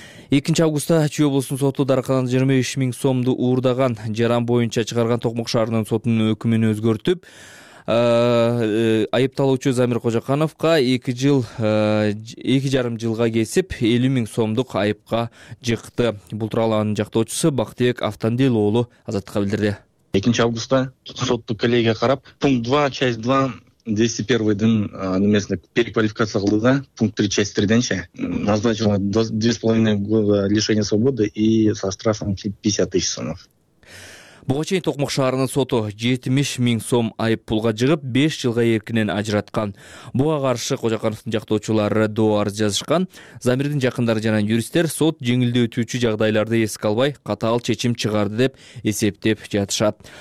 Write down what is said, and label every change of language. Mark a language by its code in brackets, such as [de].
[ky] 2 августта Чүй облусунун соту дарыкананы 23 000 сомду уурдаган жаран боюнча чыгарган Токмок шаарынын сотунун өкүмүн өзгөртүп айыпталуучу Замир Кожакановго 2 жарым жылга кесип 50 000 сомдук айыпка жыкты. Бул тууралуу анын жактоочусу Бактыбек Автандил уулу Азаттыкка билдирди. 2 августта соттук коллегия карап [ru] пункт 2 часть 2 201-дин немесине переквалификация кылды да, пункт 3 часть 3-денчи назначила 2,5 года лишения свободы и со штрафом 50 000 сомов. [ky] Буга чейин Токмок шаарынын соту 70 000 сом айып пулга жыгып 5 жылга эркинен ажыраткан. Буга каршы Кожакановдун жактоочулары доо арыз жазышкан. Замирдин жакындары жана юристтер сот жеңилдетүүчү жагдайларды эске албай катаал чечим чыгарды деп эсептеп жатышат.